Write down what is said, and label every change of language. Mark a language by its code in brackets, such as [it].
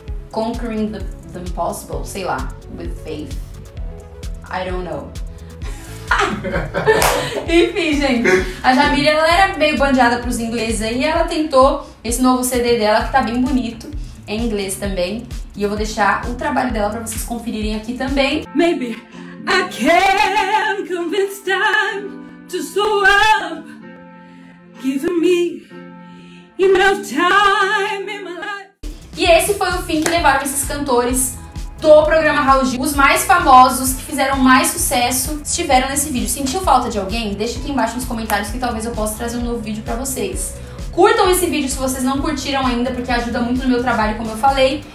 [en] Conquering the Impossible, [pt] sei lá. [en] With Faith. I don't know. [pt] Enfim, gente, a Jamile, ela era meio bandeada pros ingleses aí, e ela tentou esse novo CD dela, que tá bem bonito, em inglês também. E eu vou deixar o trabalho dela pra vocês conferirem aqui também. [en] Maybe I can convince time to slow up, give me enough time in my life. [pt] E esse foi o fim que levaram esses cantores do programa Raul Gil. Os mais famosos, que fizeram mais sucesso, estiveram nesse vídeo. Sentiu falta de alguém? Deixa aqui embaixo nos comentários que talvez eu possa trazer um novo vídeo pra vocês. Curtam esse vídeo se vocês não curtiram ainda, porque ajuda muito no meu trabalho, como eu falei.